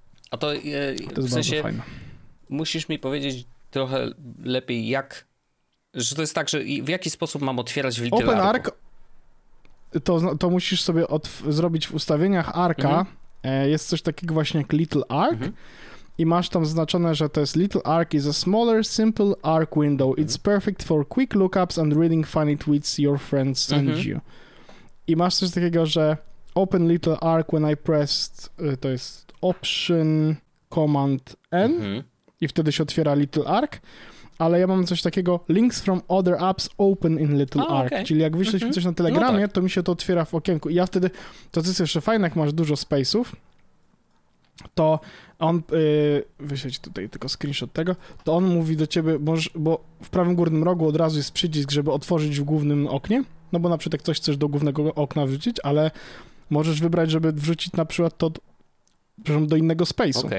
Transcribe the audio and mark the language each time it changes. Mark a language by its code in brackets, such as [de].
[pl] A to, to jest w sensie, bardzo fajne. Musisz mi powiedzieć trochę lepiej, jak, że to jest tak, że w jaki sposób mam otwierać w Little [en] Open [pl] Arku? [en] Open Ark... [pl] To musisz sobie zrobić w ustawieniach Arka, jest coś takiego właśnie jak [en] Little Ark i masz tam zaznaczone, że to jest Little Ark is a smaller, simple Ark window. It's perfect for quick lookups and reading funny tweets your friends send you. [pl] I masz coś takiego, że [en] open Little Ark when I pressed, [pl] to jest Option Command N i wtedy się otwiera Little Ark. Ale ja mam coś takiego, [en] links from other apps open in Little Ark. [pl] Okay. Czyli jak wyślesz mi coś na Telegramie, no tak, to mi się to otwiera w okienku. I ja wtedy, to co jest jeszcze fajne, jak masz dużo space'ów, to on, wyślę ci tutaj tylko screenshot tego, to on mówi do ciebie, bo w prawym górnym rogu od razu jest przycisk, żeby otworzyć w głównym oknie, no bo na przykład jak coś chcesz do głównego okna wrzucić, ale możesz wybrać, żeby wrzucić na przykład to, przepraszam, do innego space'u.